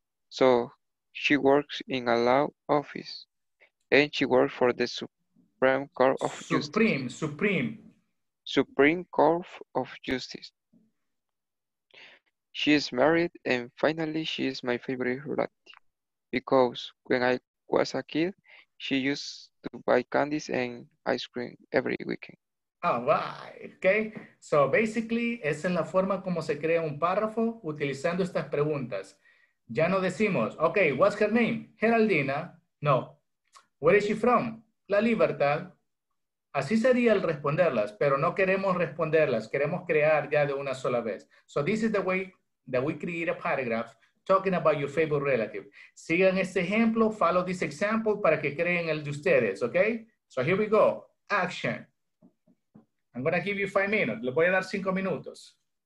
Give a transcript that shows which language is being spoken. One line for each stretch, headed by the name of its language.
English: So she works in a law office and she works for the Supreme Court of Supreme Court of Justice. She is married, and finally, she is my favorite relative. Because when I was a kid, she used to buy candies and ice cream every weekend. All right, okay. So basically,
Spanish: esa es la forma como se crea un párrafo utilizando estas preguntas. Ya no decimos,
English: okay, what's her name? Geraldina. No. Where is she from? La Libertad.
Spanish: Así sería el responderlas, pero no queremos responderlas. Queremos crear ya de una sola vez.
English: So this is the way that we create a paragraph talking about your favorite relative.
Spanish: Sigan este ejemplo,
English: follow this example
Spanish: para que creen el de ustedes, okay?
English: So here we go, action. I'm gonna give you 5 minutes,
Spanish: le voy a dar 5 minutos.